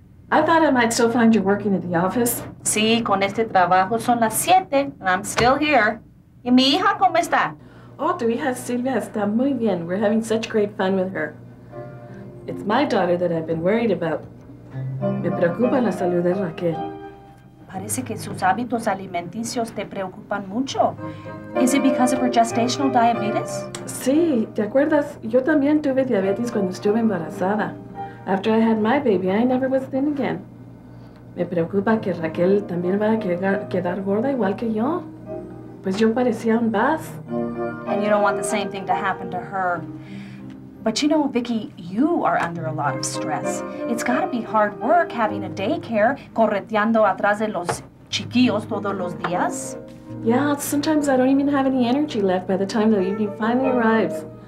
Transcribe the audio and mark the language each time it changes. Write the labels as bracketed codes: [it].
[en] I thought I might still find you working at the office. [es] Sí, con este trabajo son las 7, [en] and I'm still here. [es] ¿Y mi hija cómo está? [en] Oh, [es] tu hija Silvia está muy bien. [en] We're having such great fun with her. It's my daughter that I've been worried about. [es] Me preocupa la salud de Raquel. Parece que sus hábitos alimenticios te preocupan mucho. [en] ¿Es because of her gestational diabetes? [es] Sí, ¿te acuerdas? Yo también tuve diabetes cuando estuve embarazada. [en] After I had my baby, I never was thin again. [es] Me preocupa que Raquel también va a quedar gorda igual que yo. Pues yo parecía un bus. [en] And you don't want the same thing to happen to her. But you know, Vicky, you are under a lot of stress. It's gotta be hard work having a daycare, [es] correteando atrás de los chiquillos todos los días. [en] Yeah, sometimes I don't even have any energy left by the time the evening finally arrives.